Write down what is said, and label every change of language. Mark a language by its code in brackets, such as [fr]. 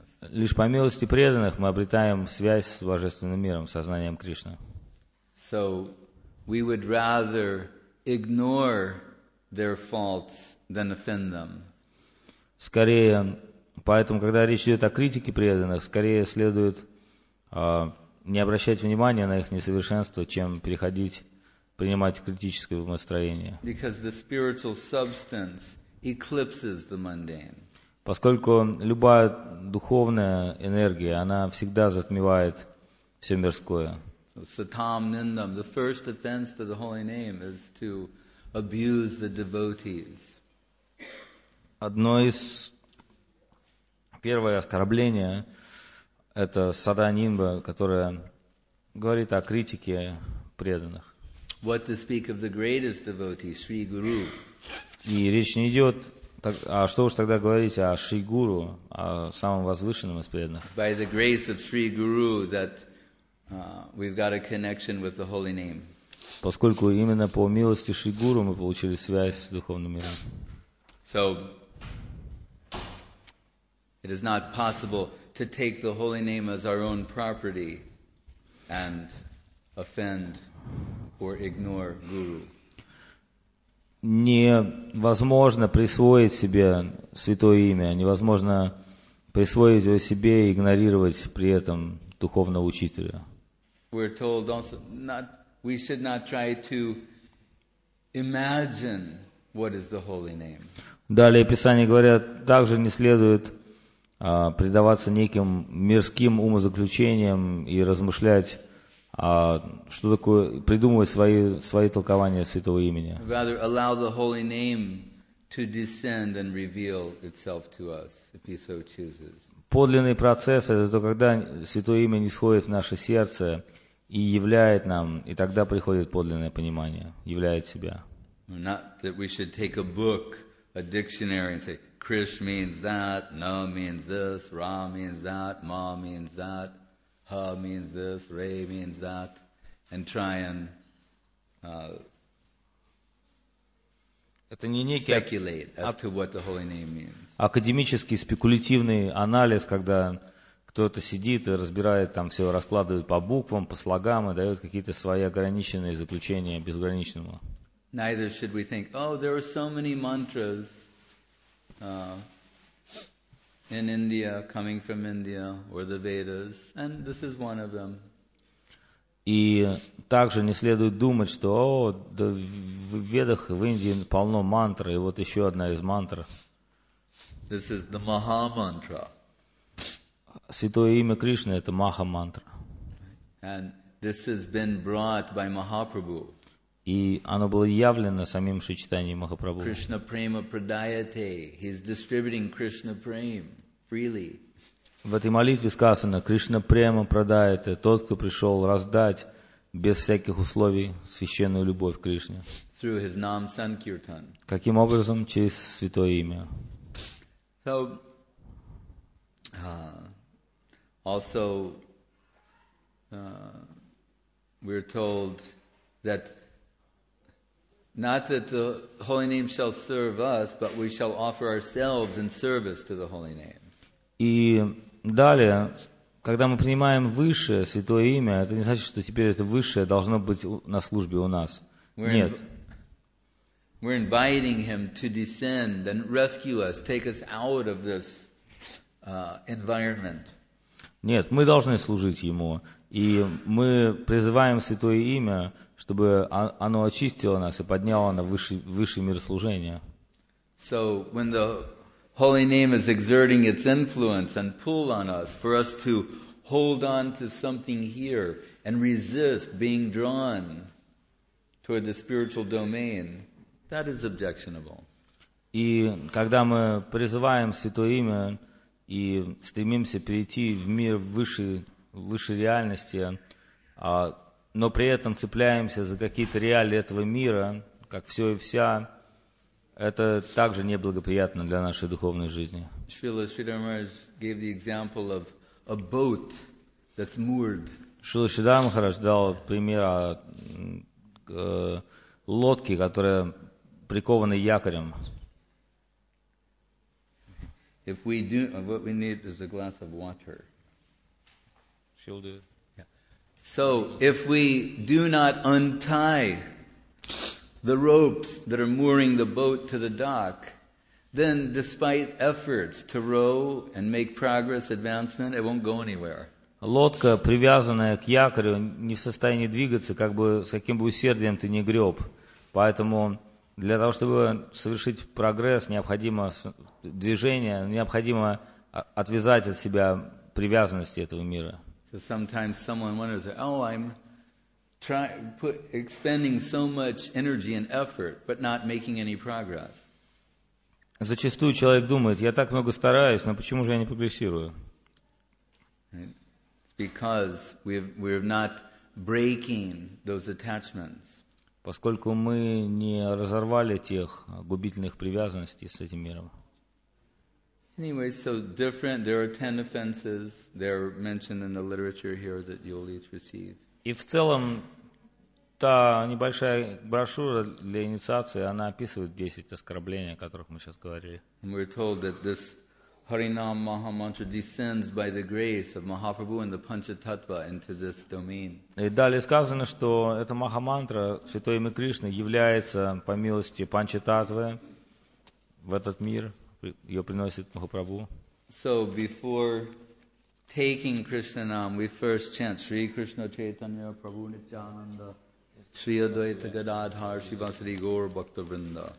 [ru] Лишь по милости преданных мы обретаем связь с Божественным миром, сознанием Кришны. [en] So we would rather ignore their faults than offend them. [ru] Скорее, поэтому, когда речь идет о критике преданных, скорее следует не обращать внимания на их несовершенство, чем переходить принимать критическое умостроение. [en] Because the spiritual substance eclipses the mundane. [ru] Поскольку любая духовная энергия, она всегда затмевает все мирское. [en] So, satam nindam, the first offense to the holy name is to abuse the devotees. [ru] Одно из первое оскорбление это сада нинба, которое говорит о критике преданных. [en] What to speak of the greatest devotee, Sri Guru? [ru] И речь не идет, а что уж тогда говорить о Шри Гуру, о самом возвышенном из преданных? [en] By the grace of Sri Guru, that we've got a connection with the holy name. [ru] Поскольку именно по милости Шри Гуру мы получили связь с духовным миром. [en] So it is not possible to take the holy name as our own property and offend or ignore guru. [ru] Невозможно присвоить себе святое имя, невозможно присвоить его себе и игнорировать при этом духовного учителя. [en] We're told also not we should not try to imagine what is the holy name. [ru] Далее Писание говорят, также не следует предаваться неким мирским умозаключениям и размышлять что такое придумывать свои толкования святого имени. [en] Rather allow the holy name to descend and reveal itself to us, if he so chooses. [ru] Подлинный процесс это то, когда святое имя нисходит в наше сердце и являет нам, и тогда приходит подлинное понимание, являет себя. [en] Not that we should take a book, a dictionary, and say Krish means that, Na means this, Ra means that, Ma means that. Ha means this, Re means that, and try and [ru] это не некий [en] speculate as to what the holy name means. [ru] Академический спекулятивный анализ, когда кто-то сидит и разбирает там все, раскладывает по буквам, по слогам и дает какие-то свои ограниченные заключения безграничному. [en] Neither should we think, oh, there are so many mantras in India, coming from India, or the Vedas, and this is one of them. [ru] И также не следует думать, что да, в Ведах в Индии полно мантр, и вот еще одна из мантр. [en] This is the Mahamantra. [ru] Святое имя Кришны это Маха-мантра. [en] And this has been brought by Mahaprabhu. [ru] И оно было явлено самим Шри Чайтанья Махапрабху. [sa] Krishna prema pradayate. [en] He's distributing Krishna prema freely. [ru] В этой молитве сказано: Кришна према продает тот, кто пришел раздать без всяких условий священную любовь Кришне. [en] Through his nam sankirtan. [ru] Каким образом? Через святое имя. [en] So, also, we're told that not that the holy name shall serve us, but we shall offer ourselves in service to the holy name. [ru] И далее, когда мы принимаем высшее святое имя, это не значит, что теперь это высшее должно быть на службе у нас. Нет. [en] We're inviting him to descend and rescue us, take us out of this environment. [ru] Нет, мы должны служить ему, и мы призываем святое имя, чтобы оно очистило нас и подняло на высший мир служения. [en] So when the holy name is exerting its influence and pull on us for us to hold on to something here and resist being drawn toward the spiritual domain, that is objectionable. [ru] И когда мы призываем святое имя и стремимся перейти в мир высшей реальности, но при этом цепляемся за какие-то реалии этого мира, как все и вся, это также неблагоприятно для нашей духовной жизни. [en] Шрила Шридхар Махарадж gave the example of a boat that's moored. [ru] Шрила Шридхар Махарадж дал пример о лодке, которая прикована якорем. [en] If we do, what we need is a glass of water. She'll do it. So, if we do not untie the ropes that are mooring the boat to the dock, then despite efforts to row and make progress, advancement, it won't go anywhere. [ru] Лодка, привязанная к якорю, не в состоянии двигаться, как бы с каким бы усердием ты ни греб. Поэтому для того, чтобы совершить прогресс, необходимо движение, необходимо отвязать от себя привязанности этого мира. [en] Sometimes someone wonders, "Oh, I'm expending so much energy and effort, but not making any progress." [ru] Зачастую человек думает: "Я так много стараюсь, но почему же я не прогрессирую?" [en] It's because we're not breaking those attachments. [ru] Поскольку мы не разорвали тех губительных привязанностей с этим миром. [en] Anyway, so different. There are 10 offenses. They're mentioned in the literature here that you'll each receive. [ru] И в целом та небольшая брошюра для инициации, она описывает 10 оскорблений, о которых мы сейчас говорили. [en] And we're told that this Harinam Maha Mantra descends by the grace of Mahaprabhu and the Panchatattva into this domain. [ru] И далее сказано, что эта Маха Мантра Святой Имя Кришны является по милости Панчататвы в этот мир. Ее приносит Махапрабху. [en] So before taking Krishna Nam, we first chant Shri Krishna Chaitanya Prabhu Nityananda Shri Advaita Gadadhar Shivasri Gaur Bhakta Vrinda.